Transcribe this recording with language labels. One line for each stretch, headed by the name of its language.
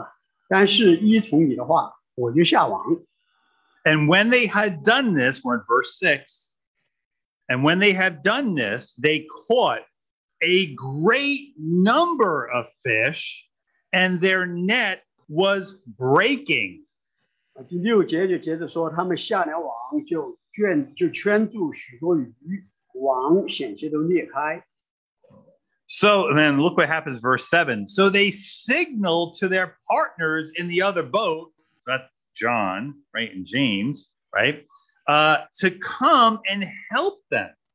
Chinese: Oh,我们可以看见彼得是一个很直接的人，是一个，是一个信义有话就说的人。他怎么回答的呢？彼得这西门，在第五章五节，路加福音西门说：“夫子，我们整夜劳力，并没有打着什么，连个螃蟹也没打到，连个小虾皮也没打到，是吧？但是依从你的话，我就下网。”
English: And when they had done this, we're at verse 6, and when they had done this, they caught a great number of fish, and their net was breaking.
Chinese: 第六节就接着说，他们下了网，就圈住许多鱼，网险些都裂开。
English: So then look what happens, verse 7. So they signaled to their partners in the other boat, John, right, and James, right, to come and help them.